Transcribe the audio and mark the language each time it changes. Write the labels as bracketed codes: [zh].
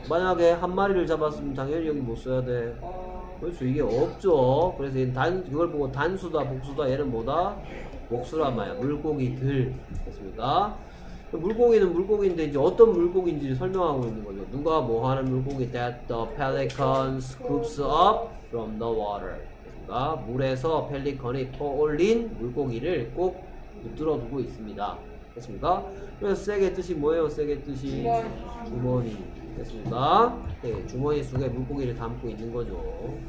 [ko] 만약에 한 마리를 잡았으면 당연히 여기 못 써야 돼. 그렇죠. 이게 없죠. 그래서 단 그걸 보고 단수다 복수다 얘는 뭐다? 복수란 말이야. 물고기들. 됐습니까? 물고기는 물고기인데 이제 어떤 물고기인지 설명하고 있는 거죠. 누가 뭐 하는 물고기? [en] That the pelican scoops up from the water. [ko] 아, 물에서 펠리컨이 퍼올린 물고기를 꼭 붙들어 두고 있습니다. 됐습니까? 그래서 세게 뜻이 뭐예요? 세게 뜻이 주머니. 됐습니까? 네, 주머니 속에 물고기를 담고 있는 거죠.